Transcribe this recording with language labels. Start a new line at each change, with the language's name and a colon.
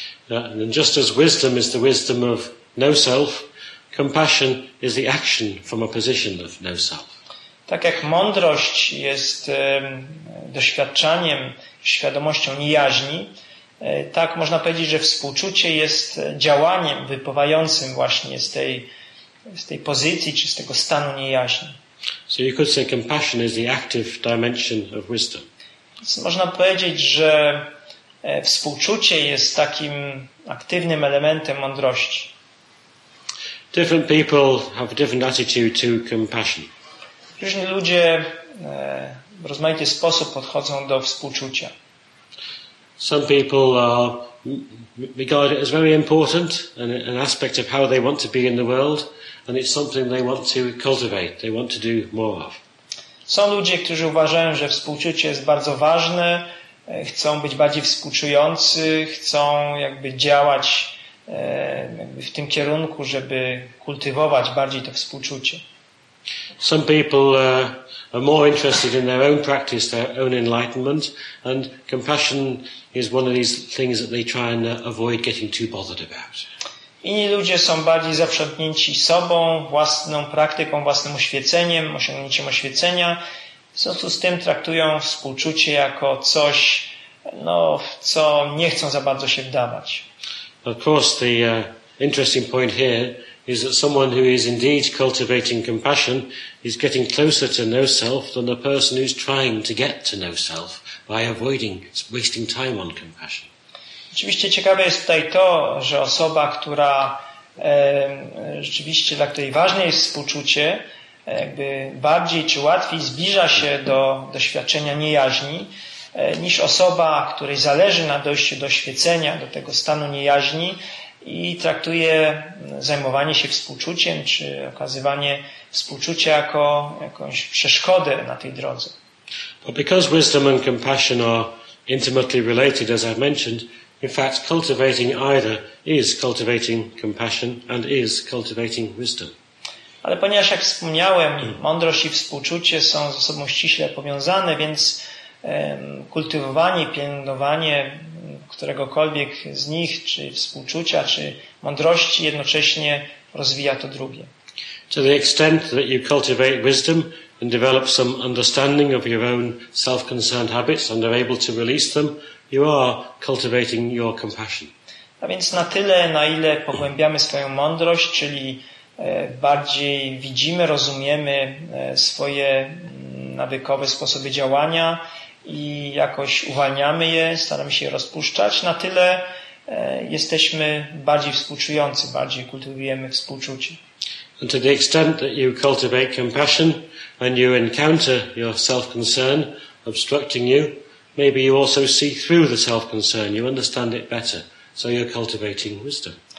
English: And just as wisdom is the wisdom of no self, compassion is the action from a position of no self.
Polish: Tak jak mądrość jest doświadczaniem, świadomością niejaźni, tak można powiedzieć, że współczucie jest działaniem wypływającym właśnie z tej pozycji czy z tego stanu niejaśni.
English: So you could say compassion is the active dimension of wisdom.
Polish: Można powiedzieć, że współczucie jest takim aktywnym elementem mądrości.
English: Different people have a different attitude to compassion.
Polish: Różni ludzie w rozmaity sposób podchodzą do współczucia.
English: Some people regard it as very important and an aspect of how they want to be in the world, and it's something they want to cultivate, they want to do more of.
Polish: Są ludzie, którzy uważają, że współczucie jest bardzo ważne, chcą być bardziej współczujący, chcą jakby działać jakby w tym kierunku, żeby kultywować bardziej to współczucie.
English: Some people are more interested in their own practice, their own enlightenment, and compassion is one of these things that they try and avoid getting too bothered about.
Polish: Inni ludzie są bardziej zaprzątnięci sobą, własną praktyką, własnym oświeceniem, osiągnięciem oświecenia. W związku z tym traktują współczucie jako coś, no, w co nie chcą za bardzo się wdawać.
English: Of course, the interesting point here is that someone who is indeed cultivating compassion is getting closer to no self than the person who's trying to get to no self by avoiding wasting time on compassion.
Polish: Oczywiście ciekawe jest tutaj to, że osoba, która rzeczywiście dla której ważne jest współczucie, jakby bardziej czy łatwiej zbliża się do doświadczenia niejaźni, niż osoba, której zależy na dojściu do oświecenia, do tego stanu niejaźni i traktuje zajmowanie się współczuciem czy okazywanie współczucia jako jakąś przeszkodę na tej drodze.
English: But because wisdom and compassion are intimately related, as I've mentioned, in fact cultivating either is cultivating compassion and is cultivating wisdom.
Polish: Ale ponieważ, jak wspomniałem, mądrość i współczucie są ze sobą ściśle powiązane, więc kultywowanie, pielęgnowanie któregokolwiek z nich, czy współczucia, czy mądrości, jednocześnie rozwija to drugie.
English: To the extent that you cultivate wisdom and develop some understanding of your own self-concerned habits and are able to release them, you are cultivating your compassion.
Polish: A więc na tyle, na ile pogłębiamy swoją mądrość, czyli bardziej widzimy, rozumiemy swoje nawykowe sposoby działania i jakoś uwalniamy je, staramy się je rozpuszczać, na tyle jesteśmy bardziej współczujący, bardziej kultywujemy współczucie.
English: And to the extent that you cultivate compassion when you encounter your self-concern obstructing you, maybe you also see through the self-concern, you understand it better, so you're cultivating wisdom.